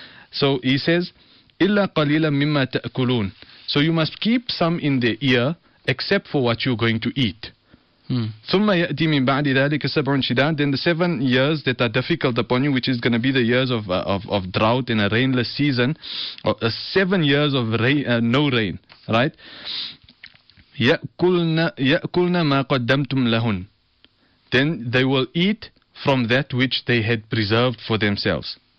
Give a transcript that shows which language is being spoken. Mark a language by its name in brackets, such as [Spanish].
[English] So he says, [Arabic] إلا قليلا مما تأكلون. [English] So you must keep some in the ear, except for what you're going to eat. [Arabic] ثم يأتي من بعد ذلك سبع شداد. [English] Then the 7 years that are difficult upon you, which is going to be the years of drought in a rainless season, or 7 years of rain, no rain, right? [Arabic] يأكلنا ما قدمتم لهن. [English] Then they will eat from that which they had preserved for themselves.